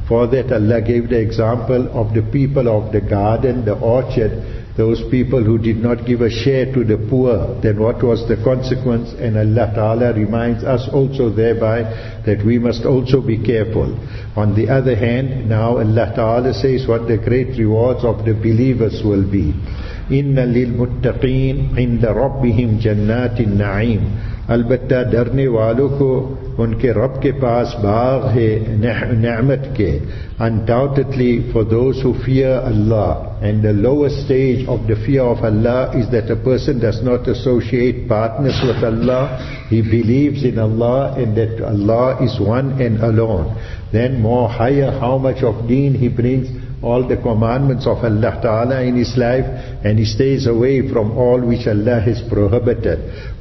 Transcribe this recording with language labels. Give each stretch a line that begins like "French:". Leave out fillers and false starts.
English: For that Allah gave the example of the people of the garden, the orchard, those people who did not give a share to the poor, then what was the consequence? And Allah Ta'ala reminds us also thereby that we must also be careful. On the other hand, now Allah Ta'ala says what the great rewards of the believers will be.
Arabic: إِنَّ لِلْمُتَّقِينَ عِنْدَ رَبِّهِمْ جَنَّاتِ النَّعِيمِ.
Urdu: البتہ ڈرنے والوں کو ان کے رب کے پاس باغ ہے نعمت کے.
English: Undoubtedly, for those who fear Allah, and the lowest stage of the fear of Allah is that a person does not associate partners with Allah, he believes in Allah and that Allah is one and alone. Then more higher, how much of deen he brings all the commandments of Allah Ta'ala in his life, and he stays away from all which Allah has prohibited.